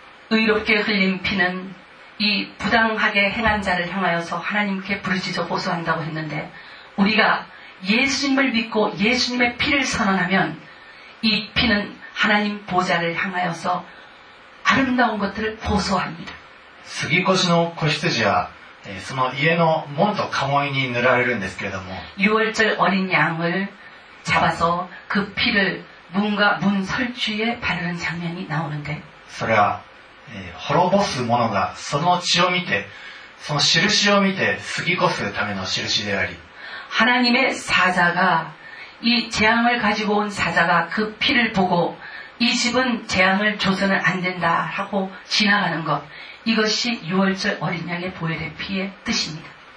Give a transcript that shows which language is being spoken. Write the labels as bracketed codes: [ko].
[ko] 의롭게흘린피는이부당하게행한자를향하여서하나님께부르짖어고소한다고했는데우리가예수님을믿고예수님의피를선언하면이피는하나님보좌를향하여서아름다운것들을고소합니다。 [ja] スギコシの子羊はその家の門と鴨居に塗られるんですけれども、 [ko] 유월절어린양을 잡아서그피를문과문설주에바르는장면이나오는데 [ja] それは滅ぼす者がその血を見てその印を見て過ぎ越すための印であり [ko] 하나님의사자가이재앙을가지고온사자가그피를보고이집은재앙을줘서는안된다하고지나가는것이것이유월절어린양의보혈의피의뜻입니다